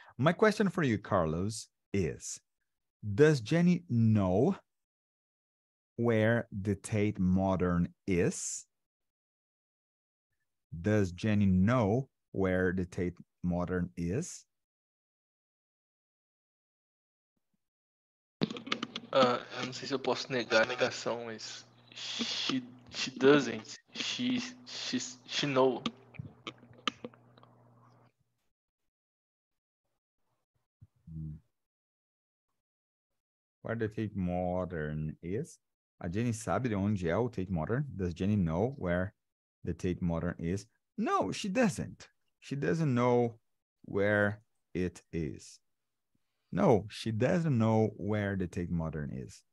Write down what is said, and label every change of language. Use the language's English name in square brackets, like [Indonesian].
[English] My question for you, Carlos, is, does Jenny know where the Tate Modern is? Does Jenny know where the Tate Modern is? [Portuguese] Eu não sei se eu posso negar a negação, mas [English] she doesn't. She know. Where the Tate Modern is? [Portuguese] A Jenny sabe de onde é o Tate Modern? [English] Does Jenny know where the Tate Modern is? No, she doesn't. She doesn't know where it is. No, she doesn't know where the Tate Modern is.